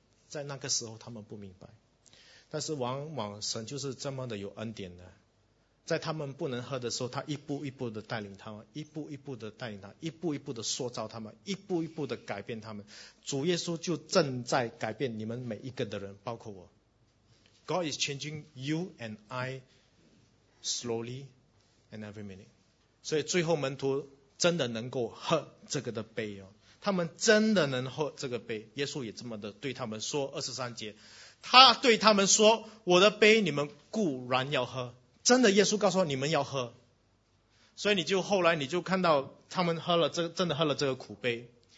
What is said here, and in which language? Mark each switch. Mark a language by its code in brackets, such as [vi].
[zh] 在那个时候他们不明白。但是往往神就是这么的有恩典的，在他们不能喝的时候，他一步一步的带领他们，一步一步的带领他，一步一步的塑造他们，一步一步的改变他们。主耶稣就正在改变你们每一个的人，包括我。 [en] God is changing you and I slowly and every minute。 [zh] 所以最后门徒真的能够喝这个的杯，他们真的能喝这个杯。耶稣也这么的对他们说，二十三节，他对他们说，我的杯你们固然要喝，真的耶稣告诉你们要喝。所以你就后来你就看到他们喝了这个，真的喝了这个苦杯。